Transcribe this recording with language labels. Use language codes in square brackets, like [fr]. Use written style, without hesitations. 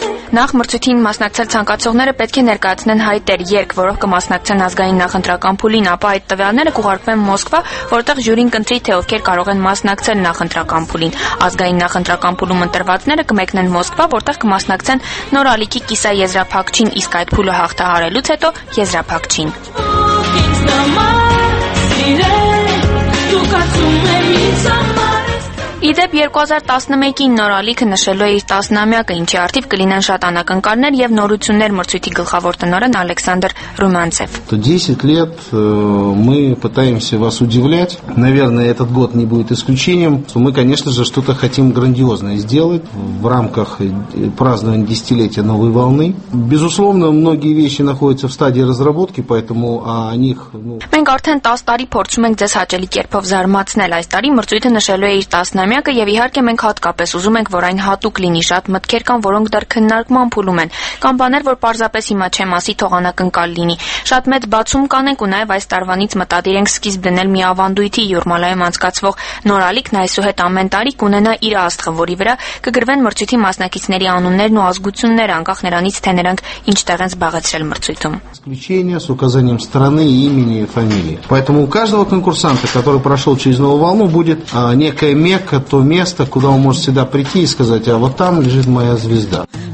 [hy] Նախ մրցույթին մասնակցել ցանկացողները պետք է ներկայացնեն հայտեր, երկ որով կմասնակցեն ազգային նախընտրական փուլին, ապա այդ տվյալները կուղարկվեն Մոսկվա, որտեղ ժյուրին կընտրի, թե ովքեր կարող են մասնակցել նախընտրական փուլին։ Ազգային նախընտրական փուլում ընտրվածները կմեկնեն Մոսկվա, որտեղ կմասնակցեն Նորալիքի կիսաեզրափակչին, իսկ այդ փուլը հաղթահարելուց հետո եզրափակչին։ Իդեպ 2011-ին Նորալիքը նշելու է իր տասնամյակը, ինչի արդիվ կլինեն շատ անակնկալներ եւ նորություններ մրցույթի գլխավոր տնօրեն Ալեքսանդր Ռումանցև։ [ru] 10 лет мы пытаемся вас удивлять. Наверное, этот год не будет исключением. Мы, конечно же, что-то хотим грандиозное сделать в рамках празднования десятилетия новой волны. Безусловно, многие вещи находятся в стадии разработки, поэтому о них, [hy] Մենք արդեն 10 տարի փորձում ենք ձեզ հաճելի կերպով զարմացնել։ Այս տարի մրցույթը նշելու է իր տասնամյակը եւ իհարկե մենք հատկապես ուզում ենք, որ այն հատուկ լինի, շատ մտքեր կան, որոնք դեռ քննարկման փուլում են, կամ բաներ, որ պարզապես հիմա չեմ ասի, թող անակնկալ լինի։ Շատ մեծ բացում կանենք ու նաեւ այս տարվանից մտադիր ենք սկիզբ դնել մի ավանդույթի՝ Յուրմալայում անցկացվող Նորալիքն այսուհետ ամեն տարի կունենա իր աստղը, որի վրա կգրվեն մրցույթի մասնակիցների անուններն ու ազգությունները, անկախ նրանից, թե նրանք ինչ տեղ են զբաղեցրել մրցույթում։ [ru] Исключение с указанием страны, имени и фамилии. Поэтому у каждого конкурсанта, который прошел через новую волну, будет некая мекка, то место, куда он может всегда прийти и сказать, а вот там лежит моя звезда.